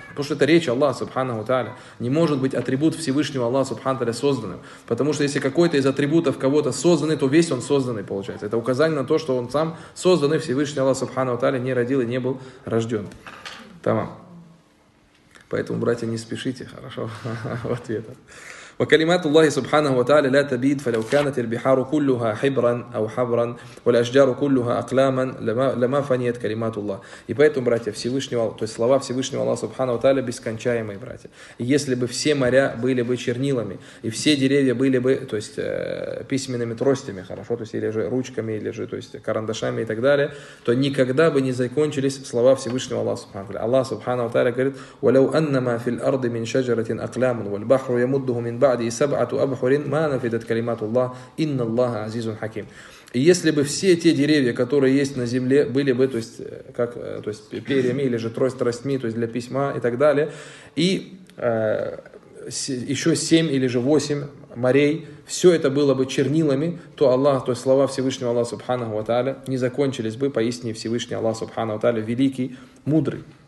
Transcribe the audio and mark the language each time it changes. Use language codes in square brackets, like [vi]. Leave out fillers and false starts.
[ru] Потому что это речь Аллаха, субханаху тааля. Не может быть атрибут Всевышнего Аллаха, субханаху тааля, созданным. Потому что если какой-то из атрибутов кого-то созданный, то весь он созданный, получается. Это указание на то, что он сам созданный, Всевышний Аллах, субханаху тааля, не родил и не был рожден. Тамам. Поэтому, братья, не спешите, хорошо, в ответах. [ar] وكلمات الله سبحانه وتعالى لا تبيد فلو كانت البحار كلها حبرا أو حبرا والأشجار كلها أقلاما لما فنيت كلمات الله. [ru] И поэтому, братья, Всевышнего, то есть слова Всевышнего Аллаха Субхана ва Тааля бескончаемые, братья. И если бы все моря были бы чернилами, и все деревья были бы, то есть письменными тростями, хорошо, то есть или же ручками, или же то есть карандашами и так далее, то никогда бы не закончились слова Всевышнего Аллаха Субхана ва Тааля. Аллах Субхана ва Тааля говорит: [ar] ولو أنما في الأرض من شجرة أقلام والبحر يمده من بعد سبعة أبحر ما نفدت كلمات الله إن الله عزيز حكيم. [ru] И если бы все те деревья, которые есть на земле, были бы, то есть, как, то есть, перьями или же тростьми, то есть для письма и так далее, и еще семь или же восемь морей, все это было бы чернилами, то Аллах, то есть слова Всевышнего Аллаха Субханаху ва Тааля не закончились бы, поистине Всевышний Аллах Субханаху ва Тааля великий, мудрый.